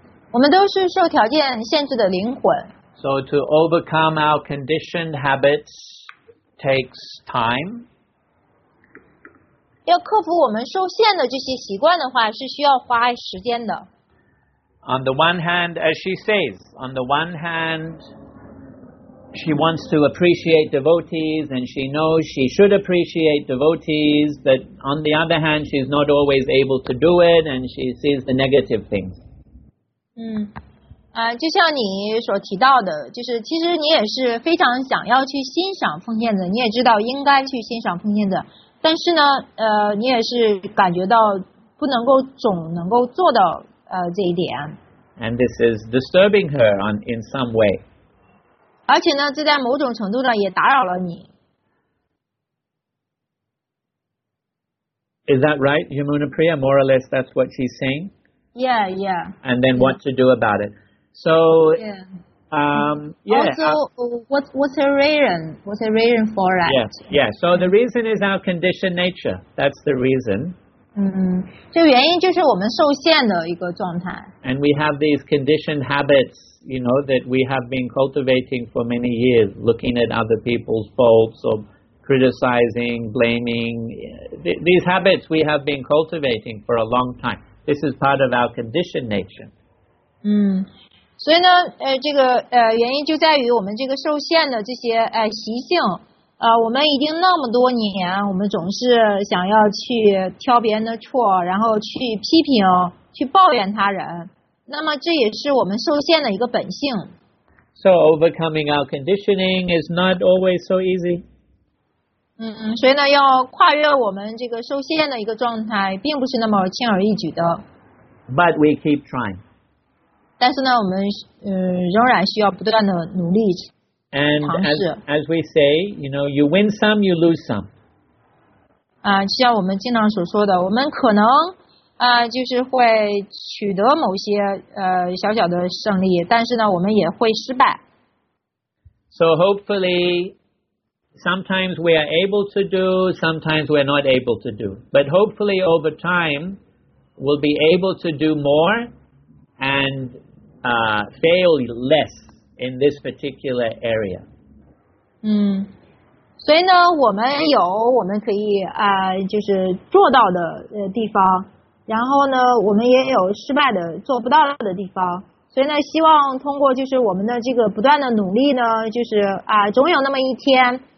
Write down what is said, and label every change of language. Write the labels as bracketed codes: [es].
[zh] 我们都是受条件限制的灵魂。 [en] So to overcome our conditioned habits. Takes time. [zh] 要克服我们受限的这些习惯的话，是需要花时间的。 [en] On the one hand, as she says, on the one hand, she wants to appreciate devotees, and she knows she should appreciate devotees, but on the other hand, she's not always able to do it, and she sees the negative things. [zh] 就像你所提到的，就是其实你也是非常想要去欣赏奉献者，你也知道应该去欣赏奉献者，但是呢，你也是感觉到不能够总能够做到这一点。 [en] And this is disturbing her on in some way. [zh] 而且呢，这在某种程度上也打扰了你。 [en] Is that right, Yamuna Priya? More or less, that's what she's saying. Yeah, yeah. And then what to do about it? So, yeah. Also, what's a reason for that? Yeah. So the reason is our conditioned nature. That's the reason. [zh] 这原因就是我们受限的一个状态。 [en] And we have these conditioned habits, you know, that we have been cultivating for many years, looking at other people's faults or criticizing, blaming. These habits we have been cultivating for a long time. This is part of our conditioned nature. [zh] 所以呢，这个原因就在于我们这个受限的这些习性，我们已经那么多年，我们总是想要去挑别人的错，然后去批评、去抱怨他人，那么这也是我们受限的一个本性。 [en] So overcoming our conditioning is not always so easy. [zh] 所以呢，要跨越我们这个受限的一个状态，并不是那么轻而易举的。 [en] But we keep trying. [zh] 但是呢，我们仍然需要不断的努力尝试。 [en] And as we say, you know, you win some, you lose some. [zh] 像我们经常所说的，我们可能就是会取得某些小小的胜利，但是呢，我们也会失败。 [en] So hopefully. Sometimes we are able to do, sometimes we are not able to do. But hopefully over time, we'll be able to do more and fail less in this particular area. [zh] 所以呢，我们有我们可以就是做到的地方，然后呢，我们也有失败的做不到的地方。所以呢，希望通过就是我们的这个不断的努力呢，就是总有那么一天。